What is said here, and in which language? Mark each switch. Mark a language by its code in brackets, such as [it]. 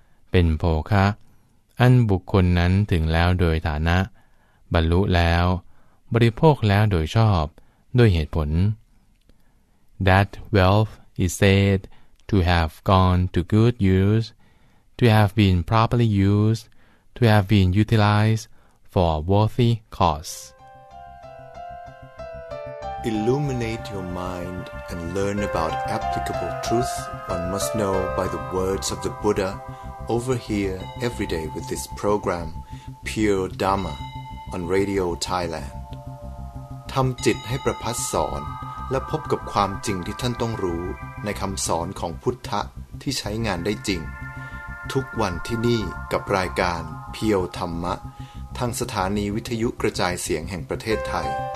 [th] เป็นโภคะอันบุคคลนั้นถึงแล้วโดยฐานะบรรลุแล้วบริโภคแล้วโดยชอบด้วยเหตุผล [en] That wealth is said to have gone to good use, to have been properly used, to have been utilized for worthy cause. Illuminate your mind and learn about applicable truth one must know by the words of the Buddha over here every day with this program, Pure Dharma, on Radio Thailand. [th] ทำจิตให้ประพัสสอนและพบกับความจริงที่ท่านต้องรู้ในคำสอนของพุทธะที่ใช้งานได้จริงทุกวันที่นี่กับรายการเพียวธรรมะทางสถานีวิทยุกระจายเสียงแห่งประเทศไทย